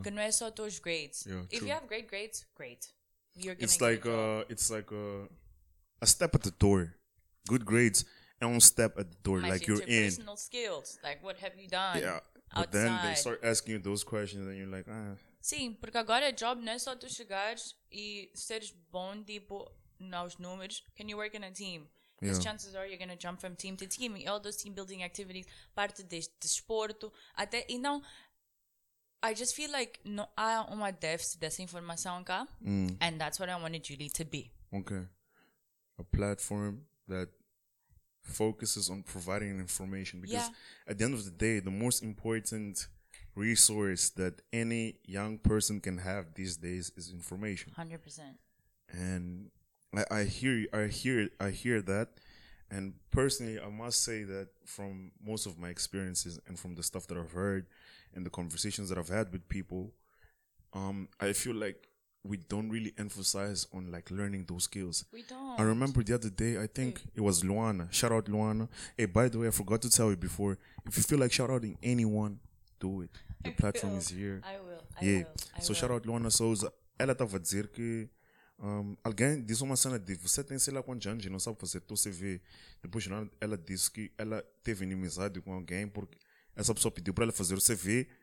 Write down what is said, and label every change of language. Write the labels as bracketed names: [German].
[Portuguese] Que não é só tuas grades. [English] Yeah, true. If you have great grades, great. It's like a step at the door. Good grades and one step at the door. Like, you're in. Personal skills. Like, what have you done? Yeah. Outside. But then they start asking you those questions and you're like, [Portuguese] Sim, porque agora o job não é só tu chegares e seres bom, tipo, nos números. [English] Can you work in a team? Because chances are you're going to jump from team to team. [Portuguese] E [English] all those team building activities, [Portuguese] parte de desporto, até, e não... [English] I just feel like no, I have [Portuguese] uma [English] depth [Portuguese] dessa informação cá, [English] and that's what I wanted Julie to be. Okay, a platform that focuses on providing information, because at the end of the day, the most important resource that any young person can have these days is information. 100%. And I hear that. And personally, I must say that from most of my experiences and from the stuff that I've heard and the conversations that I've had with people, I feel like we don't really emphasize on like learning those skills. We don't. I remember the other day, I think it was Luana. Shout out Luana. Hey, by the way, I forgot to tell you before. If you feel like shout outing anyone, do it. The platform is here. I will. Shout out Luana. [Portuguese] So ela tava dizer que alguém disse uma cena de você tem sei lá quantos anos e não sabe fazer tu CV. Depois ela disse que ela teve inimizade com alguém porque essa pessoa pediu para ela fazer o CV.